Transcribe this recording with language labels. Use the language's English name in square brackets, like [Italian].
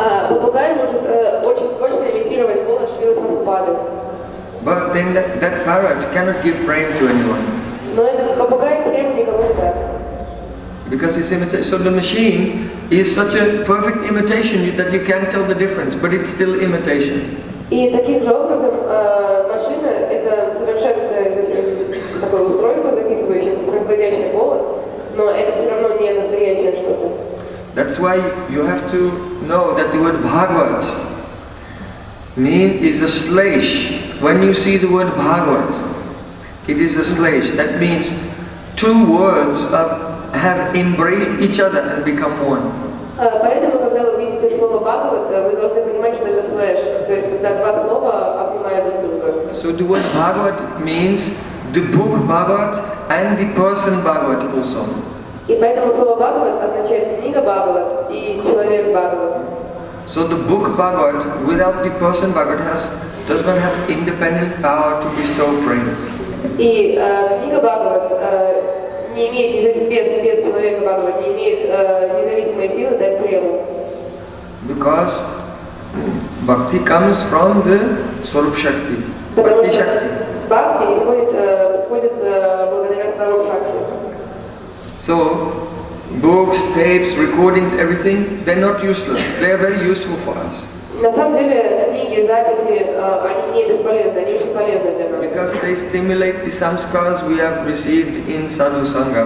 [Russian] Попугай может очень точно имитировать голос Шрилы Прабхупады. [English] But then that parrot cannot give Prem to anyone. [Russian] Но этот попугай Прем никому не даст. [English] Because it's imitation. So the machine is such a perfect imitation that you can't tell the difference, but it's still imitation. [Russian] И таким же образом машина это совершенно такое устройство, записывающее происходящий голос, но это все равно не настоящее что-то. [English] That's why you have to know that the word Bhagavat mean is a slash. When you see the word Bhagavat, it is a slash. That means two words of have embraced each other and become one. [Russian] Поэтому, когда вы видите слово Бхагават, вы должны понимать, что это слэш, то есть когда два слова обнимают друг друга. [English] So the word Bhagavat means the book Bhagavat and the person Bhagavat also. [Russian] И поэтому слово Бхагават означает книга Бхагават и человек Бхагават. [English] So the book Bhagavat without the person Bhagavat does not have independent power to bestow prem. [Russian] И книга Бхагават не имеет без человека Бхагават, не имеет независимой силы дать прему. [English] Because bhakti comes from the swarup shakti. [Russian] Потому что bhakti исходит благодаря swarup shakti. [English] So books, tapes, recordings, everything, they're not useless. They are very useful for us. [Russian] На самом деле книги, записи, они не бесполезны, они очень полезны для нас. [English] Because they stimulate the samskaras we have received in sadhu sangha.